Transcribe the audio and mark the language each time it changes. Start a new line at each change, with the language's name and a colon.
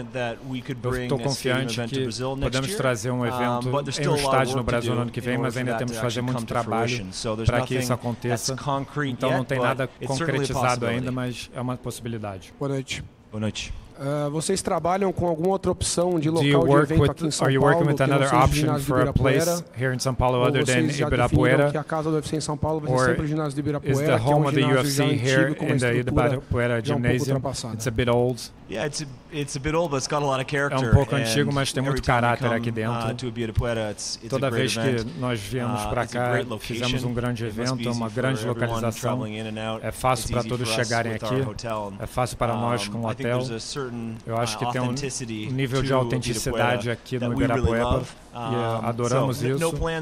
Portuguese: Eu estou confiante que podemos trazer evento em estádio no Brasil no ano que vem, mas ainda temos que fazer muito trabalho para que isso aconteça. Então não tem nada concretizado ainda, mas é uma possibilidade. Boa noite. Boa noite. Vocês trabalham com alguma outra opção de local de evento aqui em São Paulo?
English: Are you working with another option for a place here in São Paulo other than Ibirapuera?
Portuguese: Que a casa do UFC em São Paulo vai ser sempre o ginásio de Ibirapuera, que é um ginásio já antigo, com uma estrutura já um pouco ultrapassada.
English: It's a bit old. Yeah, it's a bit old, but it's got a lot of character.
Portuguese: É um pouco antigo, mas tem muito caráter aqui dentro. Toda vez que nós viemos para cá, fizemos um grande evento, uma grande localização. É fácil para todos chegarem aqui. É fácil para nós com o hotel. Eu acho que tem um nível de autenticidade aqui no Ibirapuera e adoramos isso.